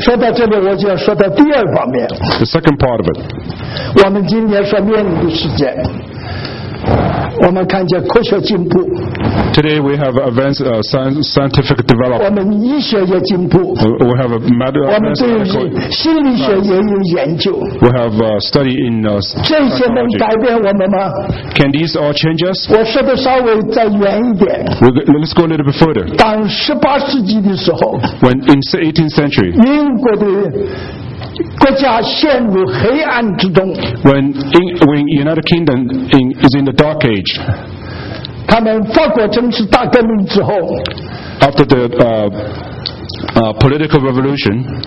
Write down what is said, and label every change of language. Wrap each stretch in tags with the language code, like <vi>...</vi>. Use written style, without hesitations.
<zh>说到这边我就要说到第二方面,</zh> <en>the second part of it.</en> <zh>我们今天说面临的世界, 我们看见科学进步,</zh> <en>today we have advanced scientific development.</en> <zh>我们医学也进步,</zh> <en>we have medical science. We have study in psychology. Can these all change us?</en> <zh>我说的稍微再远一点,</zh> <en>let's go a little bit further.</en> <zh>当18世纪的时候,</zh> <en>when in the 18th century,</en> <zh>英国的 国家陷入黑暗之中,</zh> <en>when United Kingdom is in the dark age,</en> <zh>他们法国政治大革命之后,</zh> <en>after the political revolution</en>